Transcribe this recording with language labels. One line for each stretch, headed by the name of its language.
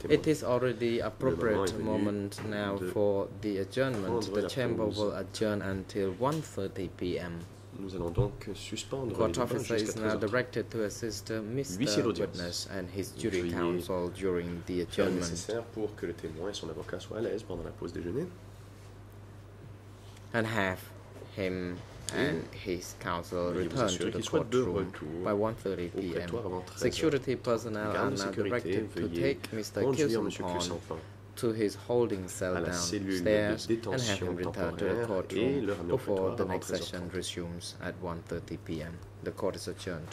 English: it is already appropriate moment now for the adjournment. The chamber will adjourn until 1:30 p.m.
French: Nous allons donc suspendre
English: court officer is now directed to assist Mr. Witness and his jury counsel during the adjournment.
French: Nécessaire pour que le témoin et son avocat soient à l'aise pendant la pause déjeuner.
English: And have him and his counsel return to the courtroom by 1:30 p.m. Security personnel are now directed to take Mr. Kilsenpon to his holding cell downstairs and have him return to the courtroom before the next session resumes at 1:30 p.m. The court is adjourned.